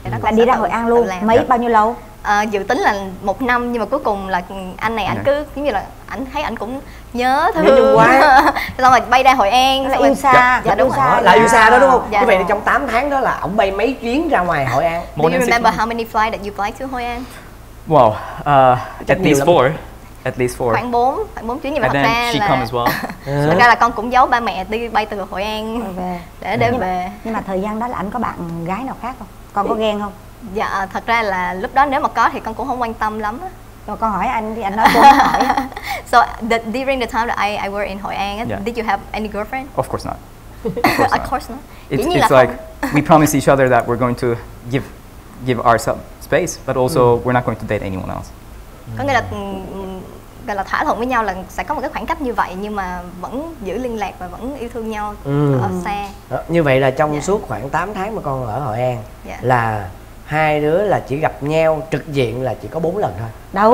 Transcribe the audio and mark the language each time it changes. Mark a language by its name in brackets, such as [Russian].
[Vietnamese] Là đi ra Hội An luôn, mấy bao nhiêu lâu? Dự tính là một năm, nhưng mà cuối cùng là anh này anh cứ giống như là anh thấy anh cũng nhớ thương quá. Xong rồi bay ra Hội An. Là yêu xa. Dạ, dạ đúng rồi. Là yêu xa đó đúng không? Dạ. Như vậy trong 8 tháng đó là ổng bay mấy chuyến ra ngoài Hội An? [English] Do you remember how many flights that you fly to Hội An? Wow, at least 4. At least 4. [Vietnamese] Khoảng 4 chuyến, nhưng mà thật ra [English] she [Vietnamese] là [English] come as well. [Vietnamese] Thật ra là con cũng giấu ba mẹ đi bay từ Hội An để đem về. Nhưng mà thời gian đó là anh có bạn gái nào khác không? Con có ghen không? Dạ, thật ra là lúc đó nếu mà có thì con cũng không quan tâm lắm. Rồi con hỏi anh đi, anh nói con hỏi. [English] So, during the time that I were in Hội An, did you have any girlfriend? Of course not. Of course not. It's like we promised each other that we're going to give ourselves space, but also we're not going to date anyone else. [Vietnamese] Có nghĩa là gọi là thỏa thuận với nhau là sẽ có một cái khoảng cách như vậy, nhưng mà vẫn giữ liên lạc và vẫn yêu thương nhau ở xa. Như vậy là trong suốt khoảng 8 tháng mà con ở Hội An là hai đứa là chỉ gặp nhau trực diện là chỉ có 4 lần thôi. Đâu